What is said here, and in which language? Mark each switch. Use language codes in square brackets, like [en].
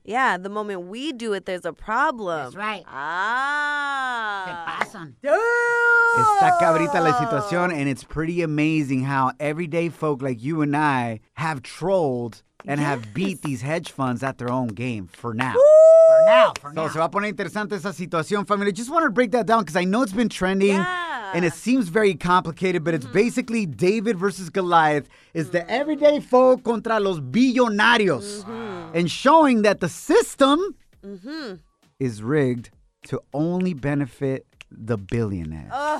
[en] Yeah, the moment we do it, there's a problem. That's right. Ah. [es] Se pasan. [en] Dude. [es] Está cabrita la situación, [en] and it's pretty amazing how everyday folk like you and I have trolled and have beat these hedge funds at their own game for now. For now. [es] So se va a poner interesante esa situación, familia. [en] Just wanted to break that down because I know it's been trending. Yeah. And it seems very complicated, but it's basically David versus Goliath. It's the everyday folk [es] contra los billonarios. [en] And showing that the system is rigged to only benefit the billionaires.